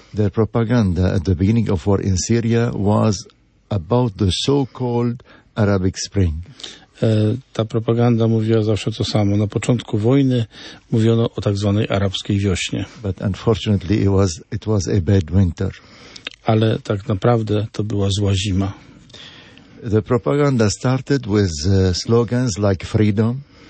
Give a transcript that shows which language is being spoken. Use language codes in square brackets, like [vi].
[en] Their propaganda at the beginning of war in Syria was about the so-called Arabic Spring. [pl] Ta propaganda mówiła zawsze to samo. Na początku wojny mówiono o tak zwanej arabskiej wiośnie. [en] But unfortunately it was a bad winter. [pl] Ale tak naprawdę to była zła zima. [en] The propaganda started with slogans like freedom.